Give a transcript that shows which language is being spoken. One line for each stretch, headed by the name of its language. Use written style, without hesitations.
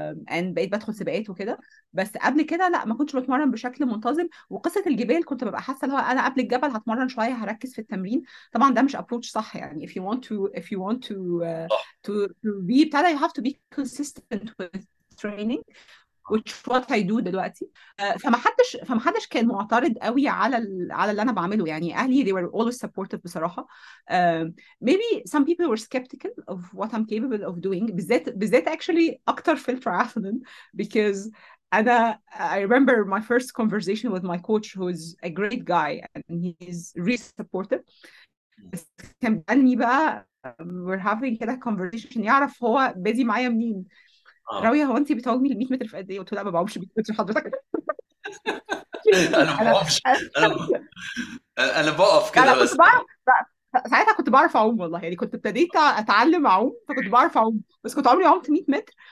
Arabic: and بقيت بدخل سباقات وكده، بس قبل كده لا، ما كنتش بتمرن بشكل منتظم. وقصه الجبال كنت ببقى حاسه ان هو انا قبل الجبل هتمرن شويه، هركز في التمرين. طبعا ده مش ابروتش صح يعني.
English: If you want to be
Arabic: بتاع ده،
English: you have to be consistent with training, which what I do
Arabic: دلوقتي. فما حدش كان معترض قوي على اللي انا بعمله يعني. اهلي
English: they were always supportive
Arabic: بصراحه.
English: maybe some people were skeptical of what I'm capable of doing،
Arabic: بالذات
English: actually
Arabic: اكتر في التراثلون.
English: because
Arabic: انا
English: I remember my first conversation with my coach who's a great guy and he's really supportive.
Arabic: بس كان بقالي بقى
English: we're having
Arabic: كده
English: conversation،
Arabic: يعرف هو بادي معايا منين. راوية هو انت بتعومي ال 100 متر في قد ايه؟ قلت له لا ما بعومش ب 100 متر حضرتك. انا ما بعرفش، انا بقف انا كده كنت بس. بعرف ساعتها، كنت بعرف اعوم والله يعني، كنت ابتديت اتعلم اعوم فكنت بعرف اعوم، بس كنت عمري عمت 100 متر.